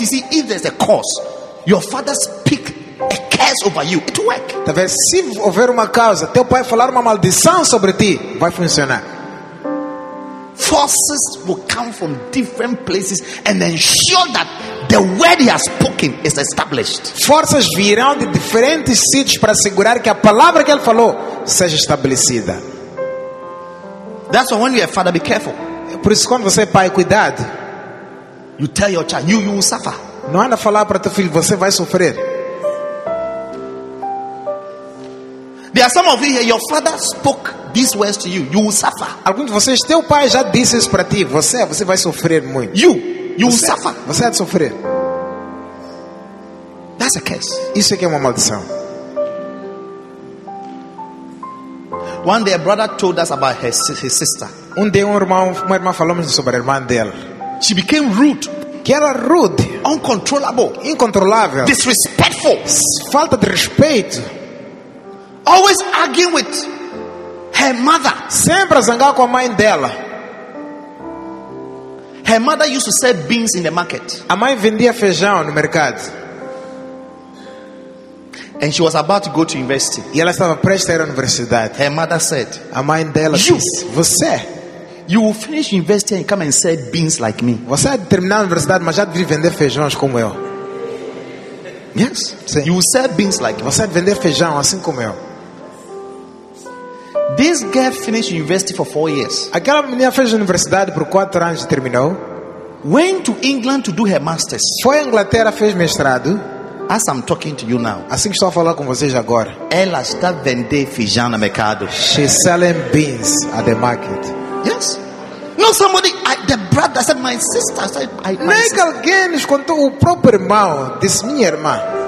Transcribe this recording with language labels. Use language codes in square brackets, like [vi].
[en] You see, if there's a cause, your father speak a curse over you, it work. [pt] Talvez se houver uma causa, teu pai falar uma maldição sobre ti, vai funcionar. [en] Forces will come from different places and ensure that the word he has spoken is established. [pt] Forças virão de diferentes sítios para assegurar que a palavra que ele falou seja estabelecida. [en] That's why when you're a father, be careful. [pt] Por isso quando você é pai, cuidado. [en] You tell your child, you will suffer. [pt] Não anda a falar para teu filho, você vai sofrer. [en] There are some of you here, your father spoke these words to you, you will suffer. [pt] Alguns de vocês, teu pai já disse isso para ti, você vai sofrer muito. [en] You will suffer. [pt] Você vai sofrer. [en] That's a curse. [pt] Isso é que é uma maldição. [en] One day a brother told us about his sister. [pt] Um dia uma irmã falou-me sobre a irmã dela. [en] She became rude. [pt] Que era rude. [en] Uncontrollable. [pt] Incontrolável. [en] Disrespectful. [pt] Falta de respeito. [en] Always arguing with her mother. [pt] Sempre a zangar com a mãe dela. [en] Her mother used to sell beans in the market. [pt] A mãe vendia feijão no mercado. [en] And she was about to go to university. [pt] E ela estava prestes a ir à universidade. [en] Her mother said, [pt] a mãe dela disse, você, [en] you will finish university and come and sell beans like me. [pt] Você vai terminar a universidade, mas já deve vender feijões como eu. [en] Yes. [pt] Sim. [en] You will sell beans like [pt] você [en] me. [pt] Vai vender feijão assim como eu. [en] This girl finished university for 4 years. [pt] Aquela menina fez a universidade por 4 anos e terminou. [en] Went to England to do her masters. [pt] Foi à Inglaterra, fez mestrado. [en] As I'm talking to you now. [pt] Assim que estou a falar com vocês agora. Ela está vendendo feijão no mercado. [en] She's selling beans at the market. Yes. No, somebody, the brother said, my sister said, I [pt] make alguém contou o próprio irmão, disse minha irmã.